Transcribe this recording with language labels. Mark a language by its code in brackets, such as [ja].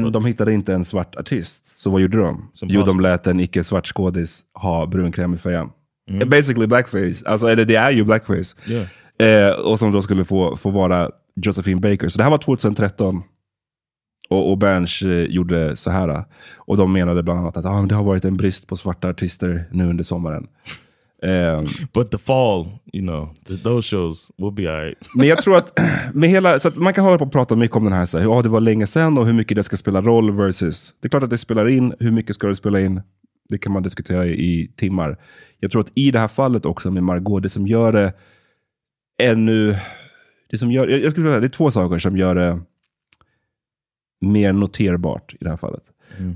[sv] Men de hittade inte en svart artist. Så vad gjorde de? Jo, de lät en icke-svart skådis ha brunkräm i färgen. Basically blackface. Alltså, eller det är ju blackface. Yeah. Och som då skulle få vara Josephine Baker. Så det här var 2013. Och Berns gjorde så här. Och de menade bland annat att det har varit en brist på svarta artister nu under sommaren. [en] But the fall, you know, those shows will be all right. [sv] Men jag tror att med hela, så att man kan hålla på och prata mycket om den här, så här, det var länge sedan och hur mycket det ska spela roll versus, det är klart att det spelar in, hur mycket ska det spela in, det kan man diskutera i timmar. Jag tror att i det här fallet också med Margot, det som gör det ännu, det som gör, jag skulle säga, det är två saker som gör det mer noterbart i det här fallet. Mm.